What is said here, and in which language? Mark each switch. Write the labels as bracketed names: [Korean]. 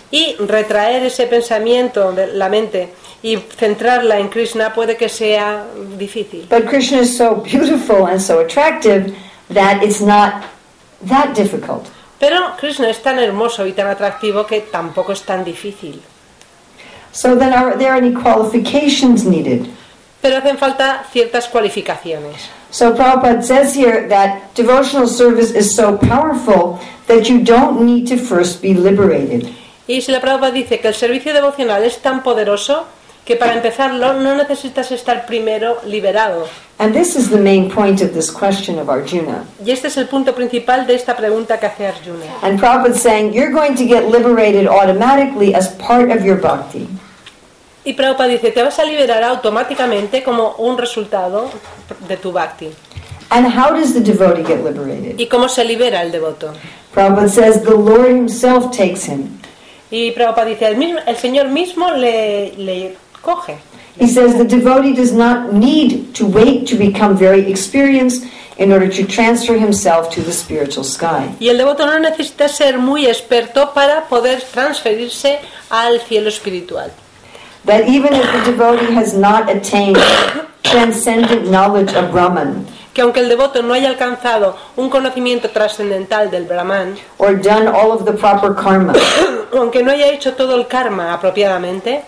[Spanish] Y retraer ese pensamiento de la mente y centrarla en Krishna puede que sea difícil. [English] But Krishna is so beautiful and so attractive that it's not that difficult. [Spanish] Pero Krishna es tan hermoso y tan atractivo que tampoco es tan difícil. [English] So then are there any qualifications needed? [Spanish] Pero hacen falta ciertas cualificaciones. [English] So Prabhupada says here that devotional service is so powerful that you don't need to first be liberated. [Spanish] Y si la Prabhupada dice que el servicio devocional es tan poderoso que para empezarlo no necesitas estar primero liberado. [English] And this is the main point of this question of Arjuna. [Spanish] Y este es el punto principal de esta pregunta que hace Arjuna. [English] And Prabhupada is saying you're going to get liberated automatically as part of your bhakti. [Spanish] Y Prabhupada dice, te vas a liberar automáticamente como un resultado de tu bhakti. [English] And how does the devotee get liberated? [Spanish] ¿Y cómo se libera el devoto? [English] Prabhupada says the Lord himself takes him. [Spanish] Y Prabhupada dice, el Señor mismo le coge. [English] He says the devotee does not need to wait to become very experienced in order to transfer himself to the spiritual sky. [Spanish] Y el devoto no necesita ser muy experto para poder transferirse al cielo espiritual. [English] That even if the devotee has not attained transcendent knowledge of Brahman, [Spanish] que aunque el devoto no haya alcanzado un conocimiento trascendental del Brahman, [English] or done all of the proper karma, [Spanish] aunque no haya hecho todo el karma apropiadamente,